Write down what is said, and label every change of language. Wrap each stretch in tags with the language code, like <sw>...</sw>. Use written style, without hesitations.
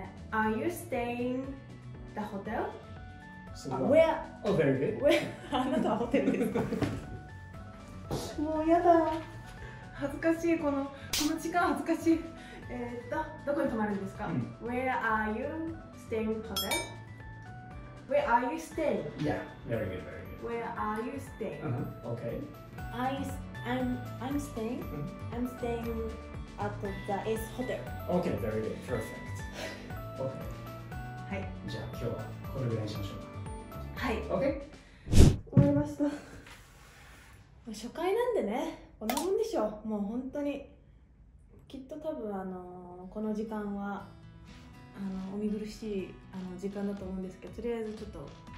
<en>Are you staying the hotel? Where? Oh, very good. Where?</en> <ja>あなたはホテルですか？もうやだ。恥ずかしい。この時間恥ずかしい。どこに泊まるんですか？</ja> <en>Where are you staying the hotel? Where are you staying? Yeah. Very good. Very good. Where are you staying? Uh-huh. Okay. I'm staying. Mm-hmm. I'm staying at the Ace Hotel. Okay, very good. Perfect. Okay.</en> <ja>はい。じゃあ今日はこれぐらいにしましょうか。はい。</ja> <en>Okay.</en> <ja>終わりました。初回なんでね、こんなもんでしょ。もう本当にきっと多分この時間はお見苦しい時間だと思うんですけど、とりあえずちょっと。</ja>